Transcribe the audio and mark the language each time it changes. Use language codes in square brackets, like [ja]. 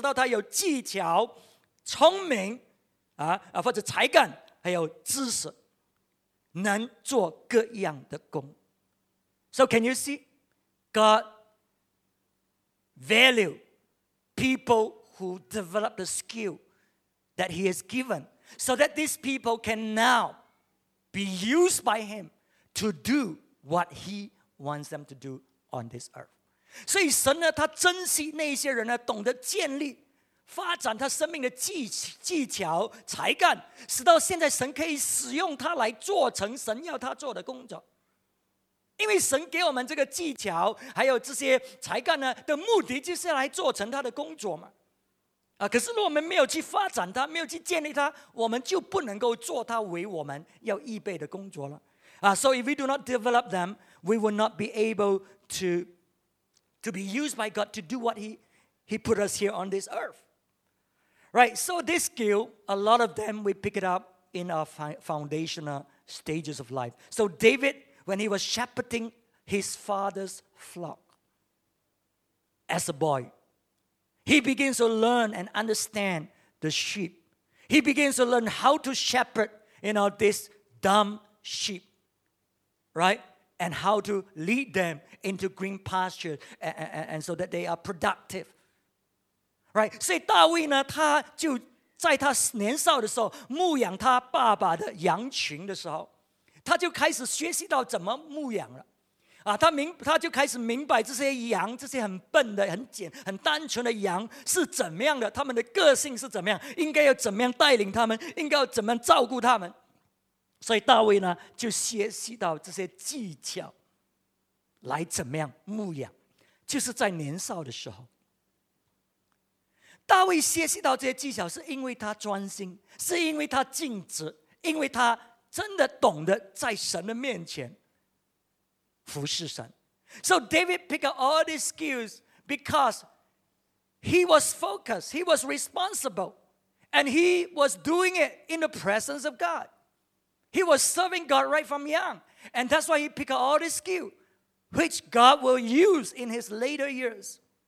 [zh] 所以这个是三十一节那里呢，是神的话语呢第一次讲到人被圣灵充满。我们以为被圣灵充满，我们就行神迹奇事什么什么，不是，他说这个是人第一次被圣灵充满呢，他呢圣灵充满了他呢，使他有智慧、聪明、知识，或者使到他有技巧、聪明。或者才干，还有知识，能做各样的工。 [en] So can you see, God value people who develop the skill that He has given, so that these people can now be used by Him to do what He wants them to do on this earth. [zh] 所以神呢，他珍惜那些人呢，懂得建立、发展他生命的技巧、才干，使到现在神可以使用他来做成神要他做的工作。因为神给我们这个技巧，还有这些才干呢的目的，就是来做成他的工作嘛。啊，可是如果我们没有去发展它，没有去建立它，我们就不能够做它为我们要预备的工作了。 [en] 啊，so if we do not develop them, we will not be able to be used by God to do what He put us here on this earth. Right? So this skill, a lot of them we pick it up in our foundational stages of life. So David, when he was shepherding his father's flock as a boy. He begins to learn and understand the sheep. He begins to learn how to shepherd, you know, this dumb sheep, right? And how to lead them into green pasture and so that they are productive, right? [zh] 所以大卫呢，他就在他年少的时候牧养他爸爸的羊群的时候，他就开始学习到怎么牧养了。啊、他就开始明白这些羊，这些很笨的、很单纯的羊是怎么样的，他们的个性是怎么样，应该要怎么样带领他们，应该要怎么样照顾他们。所以大卫呢，就学习到这些技巧，来怎么样牧养，就是在年少的时候。大卫学习到这些技巧，是因为他专心，是因为他尽职，因为他真的懂得在神的面前。 [en] So David picked up all these skills because he was focused, he was responsible, and he was doing it in the presence of God. He was serving God right from young, and that's why he picked up all these skills, which God will use in his later years.